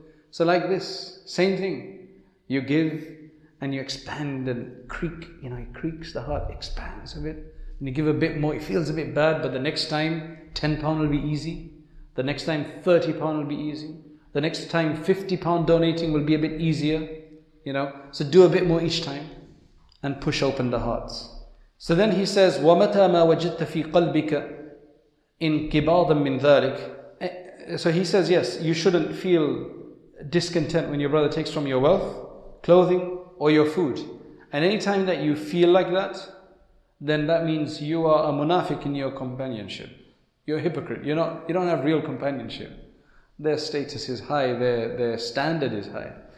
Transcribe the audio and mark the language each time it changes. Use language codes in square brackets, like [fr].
[en] So like this, same thing. You give and you expand and creak, you know, it creaks, the heart expands a bit. And you give a bit more, it feels a bit bad, but the next time, £10 will be easy. The next time, £30 will be easy. The next time, £50 donating will be a bit easier, you know. So do a bit more each time and push open the hearts. [ar] So then he says, وَمَتَى مَا وَجَدْتَ فِي قَلْبِكَ إِنْكِبَاضًا مِّنْ ذَلِكَ. [en] So he says, yes, you shouldn't feel discontent when your brother takes from your wealth, clothing, or your food. And any time that you feel like that, then that means you are a munafiq in your companionship. You're a hypocrite. You don't have real companionship. Their status is high, their standard is high.